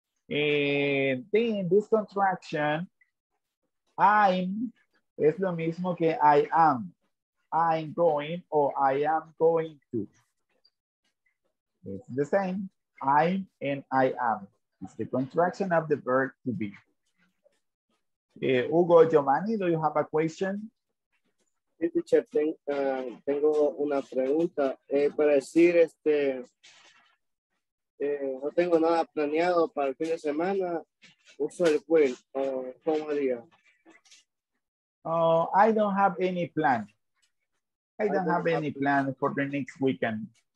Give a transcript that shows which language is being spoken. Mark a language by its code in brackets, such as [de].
[en] And then this contraction, I'm, es lo mismo que I am. I'm going or I am going to. It's the same. I'm and I am. It's the contraction of the verb to be. Hugo, Giovanni, do you have a question? [es] Teacher, tengo una pregunta para decir no tengo nada planeado para el fin de semana, uso el will o cómo diría. [en] I don't have any plan. I don't have any plan for the next weekend.